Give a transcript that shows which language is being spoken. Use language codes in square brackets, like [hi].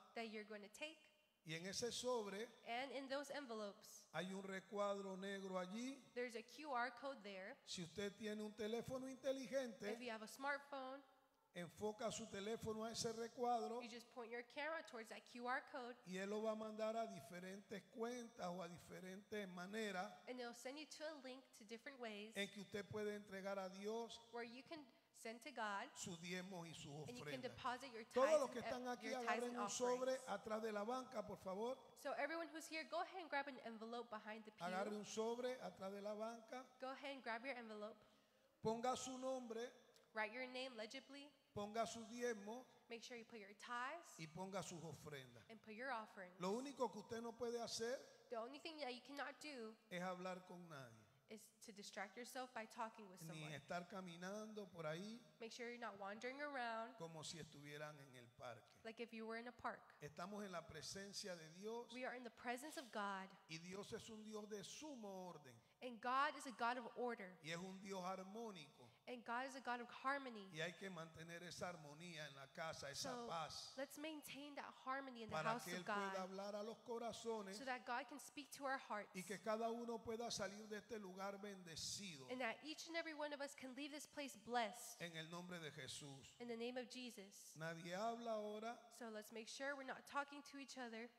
[en] that you're going to take. [es] Y en ese sobre, [en] and in those envelopes, [es] hay un recuadro negro allí, [en] there's a QR code there. [es] Si usted tiene un teléfono inteligente, [en] if you have a smartphone, [es] enfoca su teléfono a ese recuadro. [en] You just point your camera towards that QR code. [es] Y él lo va a mandar a diferentes cuentas o a diferentes maneras. [en] And it'll send you to a link to different ways. [es] En que usted puede entregar a Dios. [en] Where you can send to God. [es] Su diezmo y su ofrenda. [en] And you can deposit your tithes. [es] Todos los que están aquí agarren un sobre atrás de la banca, por favor. [en] So everyone who's here, go ahead and grab an envelope behind the pew. [es] Agarre un sobre atrás de la banca. [en] Go ahead and grab your envelope. [es] Ponga su nombre. [en] Write your name legibly. [es] Ponga su diezmo. [en] Make sure you put your tithes. [es] Y ponga sus ofrendas. [en] And put your offerings. [es] Lo único que usted no puede hacer, [en] the only thing that you cannot do, [es] es hablar con nadie. [en] Is to distract yourself by talking with [es] ni [en] someone. [es] Ni estar caminando por ahí. [en] Make sure you're not wandering around. [es] Como si estuvieran en el parque. [en] Like if you were in a park. [es] Estamos en la presencia de Dios. [en] We are in the presence of God. [es] Y Dios es un Dios de sumo orden. [en] And God is a God of order. [es] Y es un Dios armónico. [en] And God is a God of harmony. [es] Y hay que mantener esa armonía en la casa, esa paz. [en] So let's maintain that harmony in [es] para [en] the house [es] que él [en] of God. [es] Pueda hablar a los corazones, [en] so that God can speak to our hearts. [es] Y que cada uno pueda salir de este lugar bendecido. [en] And that each and every one of us can leave this place blessed. [es] En el nombre de Jesús. [en] In the name of Jesus. [es] Nadie habla ahora. [en] So let's make sure we're not talking to each other.